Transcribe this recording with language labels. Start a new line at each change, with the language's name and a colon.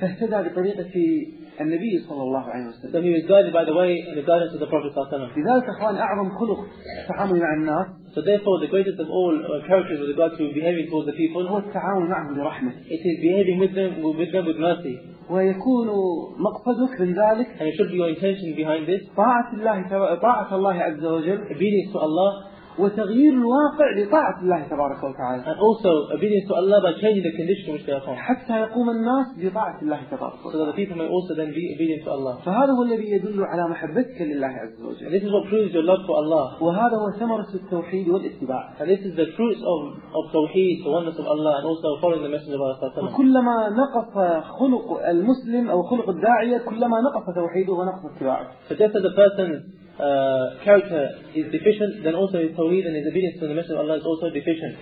Arabic: فاهتدى بطريقة النبي صلى الله عليه وسلم.
English: So he was guided by the way and the guidance of the Prophet
Arabic: صلى الله عليه وسلم. لذلك أخوان أعظم خلق التعامل مع الناس.
English: So therefore the greatest of all characters with regard to behaving towards the people.
Arabic: هو التعامل معهم برحمة.
English: It is behaving with them with mercy.
Arabic: ويكون مقصدك من ذلك.
English: And it should be your intention behind this.
Arabic: طاعة الله عز وجل.
English: Obedience to Allah.
Arabic: وتغيير الواقع لطاعة الله تبارك وتعالى.
English: And also obedience to Allah by changing the condition which they are from.
Arabic: حتى يقوم الناس بطاعة الله تبارك وتعالى.
English: So that the people may also then be obedient to Allah.
Arabic: فهذا هو الذي يدل على محبتك لله عز وجل.
English: And this is what proves your love for Allah.
Arabic: وهذا هو ثمرة التوحيد والاتباع.
English: And this is the fruits of توحيد, the oneness of Allah, and also following the messenger of Allah.
Arabic: وكلما نقص خلق المسلم أو خلق الداعية كلما نقص توحيده ونقص اتباعه.
English: So just as a person character is deficient, then also his tawheed and his obedience to the message of Allah is also deficient.